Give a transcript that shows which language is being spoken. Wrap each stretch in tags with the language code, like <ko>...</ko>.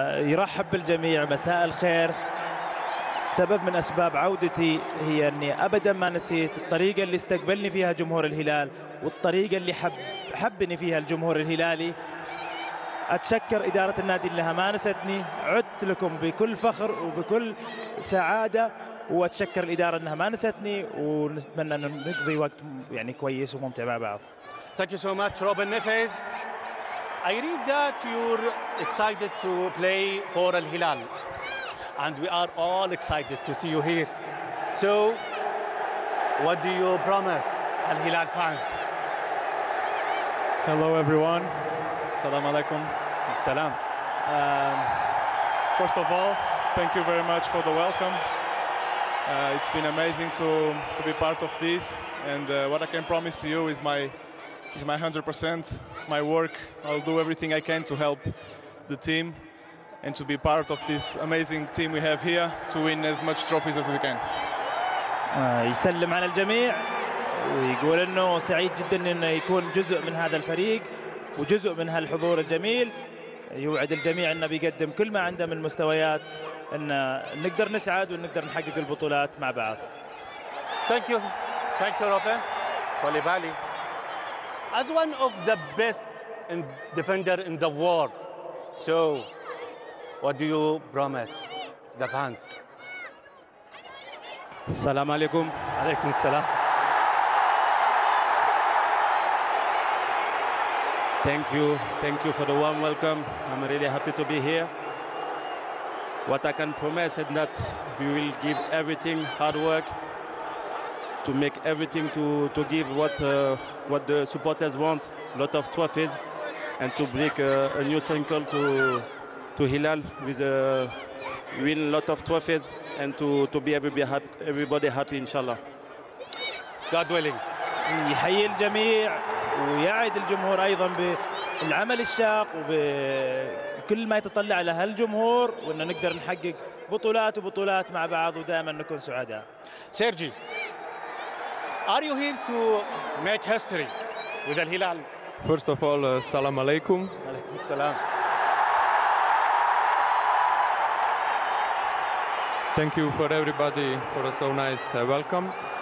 <ar>يرحب بالجميع، مساء الخير. سبب من أسباب عودتي هي أني أبدا ما نسيت الطريقة اللي استقبلني فيها جمهور الهلال والطريقة اللي حبني فيها الجمهور الهلالي. أتشكر إدارة النادي اللي ما نستني، عدت لكم بكل فخر وبكل سعادة، وأتشكر الإدارة أنها ما نستني، ونتمنى أن نقضي وقت يعني كويس وممتع مع بعض.</ar> <en>Thank you so much, Robin Nefez. I read that you're excited to play for Al Hilal, and we are all excited to see you here. So, what do you promise Al Hilal fans? Hello, everyone.</en> <ar>Assalamu alaikum. Assalam.</ar> <en>First of all, thank you very much for the welcome. It's been amazing to be part of this, and what I can promise to you is my 100%, my work. I'll do everything I can to help the team and to be part of this amazing team we have here to win as much trophies as we can.</en> <ar>يسلم على الجميع ويقول انه سعيد جدا انه يكون جزء من هذا الفريق وجزء من هالحضور الجميل. يوعد الجميع انه بيقدم كل ما عنده من مستويات ان نقدر نسعد ونقدر نحقق البطولات مع بعض.</ar> <en>Thank you Robin. Kolibali. As one of the best defender in the world, so what do you promise the fans?</en> <ar>Salam alaikum. Alaikum salam.</ar> <en>Thank you for the warm welcome. I'm really happy to be here. What I can promise is that we will give everything, hard work, to make everything to give what the supporters want, a lot of trophies, and to break a new cycle to Hilal with a win, a lot of trophies, and to be everybody happy, inshallah. God willing.</en> <ar>يحيي الجميع ويعد الجمهور ايضا بالعمل الشاق وبكل ما يتطلع له الجمهور، وان نقدر نحقق بطولات وبطولات مع بعض ودائما نكون سعداء.</ar> <en>Sergej, are you here to make history with Al Hilal? First of all,</en> <ar>assalamu alaikum. Alaikum salam.</ar> <en>Thank you for everybody for a so nice welcome.</en>